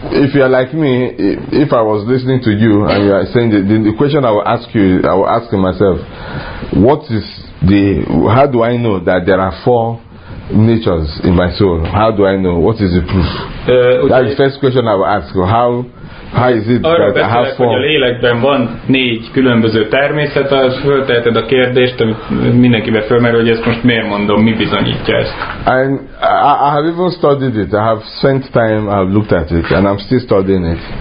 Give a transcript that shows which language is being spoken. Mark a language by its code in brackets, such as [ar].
[en] If you are like me, if I was listening to you and you are saying the question I will ask you, I will ask myself, what is the, how do I know that there are four natures in my soul? How do I know? What is the proof? That is the first question I will ask. How is it [hu] arra [en] that I have four? [hu] Hogy a lélekben van négy különböző természet, az fölteheted a kérdést, amit mindenkibe felmerül, hogy ezt most miért mondom, mi bizonyítja ezt? [en] And I have even studied it. I have spent time, I have looked at it, and I'm still studying it.